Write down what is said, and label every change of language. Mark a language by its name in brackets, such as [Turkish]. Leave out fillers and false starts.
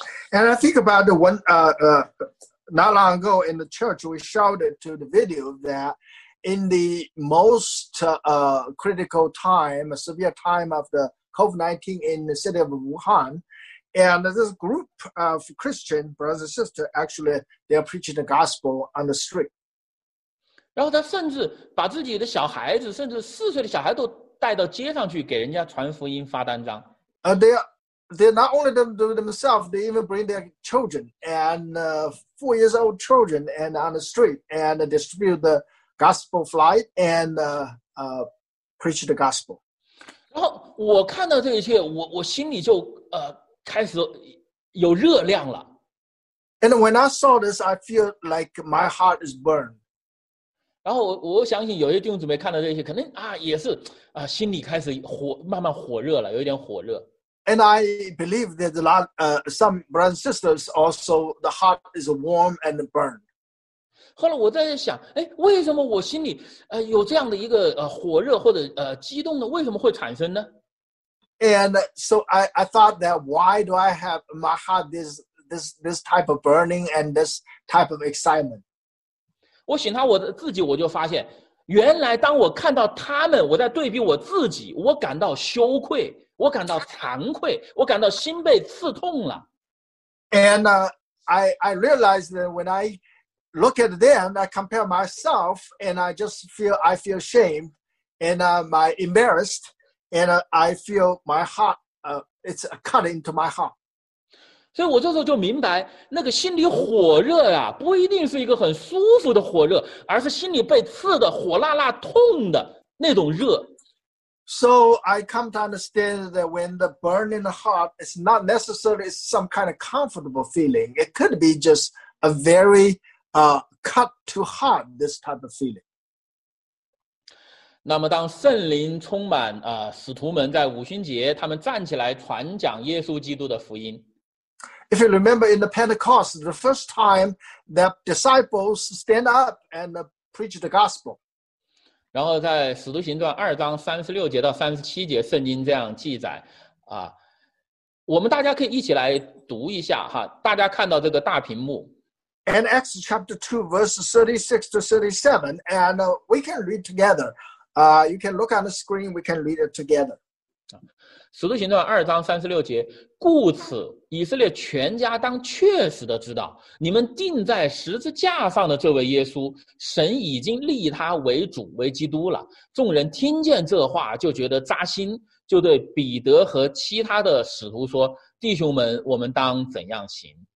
[English] And I think about the one, not long ago in the church, we shouted to the video that. In the most critical time, severe time of the COVID-19 in the city of Wuhan, and this group of Christian brothers and sisters, actually, they are preaching the gospel on the street. [Chinese] 然后他甚至把自己的小孩子，甚至四岁的小孩都带到街上去给人家传福音发单张。 [English] They're not only them do themselves, they even bring their children and four-year-old old children and on the street and distribute theGospel flight and preach the gospel. [Chinese] 然后我看到这一切，我心里就开始有热量了。 [English] And when I saw this, I feel like my heart is burned. [Chinese] 然后我相信有些弟兄姊妹看到这些，可能也是心里开始慢慢火热了，有点火热。 [English] And I believe that a lot some brothers and sisters also the heart is warm and burned. [Chinese] 后来我在想，哎，为什么我心里有这样的一个火热或者激动呢？为什么会产生呢 [English] ？And so I thought that why do I have my heart this type of burning and this type of excitement？ [Chinese] 我醒察我自己，我就发现，原来当我看到他们，我在对比我自己，我感到羞愧，我感到惭愧，我感到心被刺痛了。 [English] And I realized that when I look at them, I compare myself, and I just feel, I feel shame, and my embarrassed, and I feel my heart, it's a cut into my heart. [Chinese] 所以我这时候就明白，那个心里火热啊，不一定是一个很舒服的火热，而是心里被刺的火辣辣痛的那种热。 [English] So I come to understand that when the burning heart is not necessarily some kind of comfortable feeling, it could be just a very,cut to heart, this type of feeling. [Chinese] 那么当圣灵充满使徒们在五旬节他们站起来传讲耶稣基督的福音。 [English] If you remember in the Pentecost, the first time that disciples stand up and preach the gospel. [Chinese] 然后在使徒行传二章三十六节到三十七节圣经这样记载我们大家可以一起来读一下哈，大家看到这个大屏幕。 [English] And Acts chapter 2, verse 36 to 37, and we can read together. You can look on the screen, we can read it together. [Chinese] 使徒行传二章三十六节，故此以色列全家当确实的知道，你们钉在十字架上的这位耶稣，神已经立他为主，为基督了。众人听见这话，就觉得扎心，就对彼得和其他的使徒说，弟兄们，我们当怎样行？